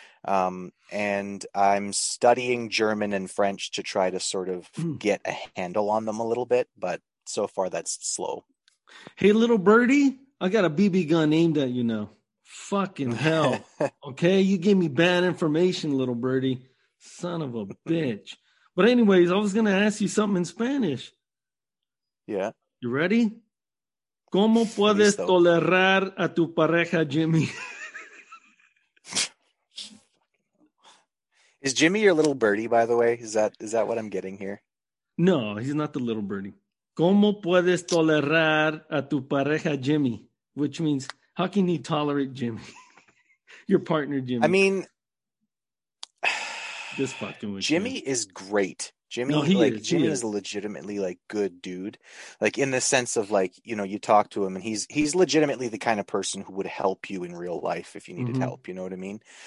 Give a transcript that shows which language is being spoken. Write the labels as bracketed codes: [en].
[en] And I'm studying German and French to try to sort of get a handle on them a little bit, but so far that's slow. Hey, little birdie, I got a BB gun aimed at you now. Fucking hell. Okay. You gave me bad information, little birdie, son of a bitch. But anyways, I was going to ask you something in Spanish. Yeah. You ready? [es] ¿Cómo puedes tolerar a tu pareja, Jimmy? [en] Is Jimmy your little birdie, by the way? Is that what I'm getting here? No, he's not the little birdie. [es] ¿Cómo puedes tolerar a tu pareja, Jimmy? [en] Which means, how can you tolerate Jimmy? Your partner, Jimmy. I mean, just fucking with Jimmy you. Is great. Jimmy, no, like, is. Jimmy is a legitimately, like, good dude. Like, in the sense of, like, you know, you talk to him and he's legitimately the kind of person who would help you in real life if you needed mm-hmm. help. You know what I mean?